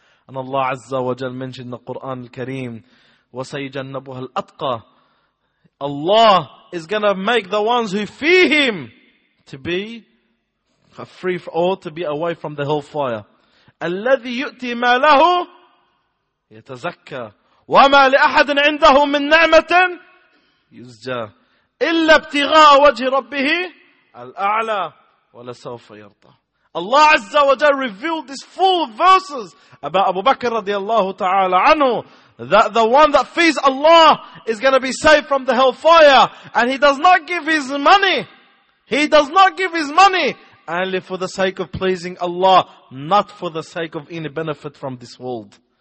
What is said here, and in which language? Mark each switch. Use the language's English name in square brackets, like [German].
[English] And Allah azza wa jal mentioned in the Quran al-Kareem, [Arabic] وَسَيْجَنَّبُهَا الْأَتْقَى. [English] Allah is going to make the ones who fear him to be free or to be away from the hellfire. [Arabic] الَّذِي يُؤْتِي مَا لَهُ يتزكى وما لأحد عنده من نعمة يزجى إلا ابتغاء وجه ربه الأعلى ولسوف يرضى. [English] Allah Azza wa Jalla revealed these full verses about Abu Bakr radiallahu ta'ala anhu, that the one that fears Allah is going to be saved from the hellfire, and he does not give his money. He does not give his money only for the sake of pleasing Allah, not for the sake of any benefit from this world.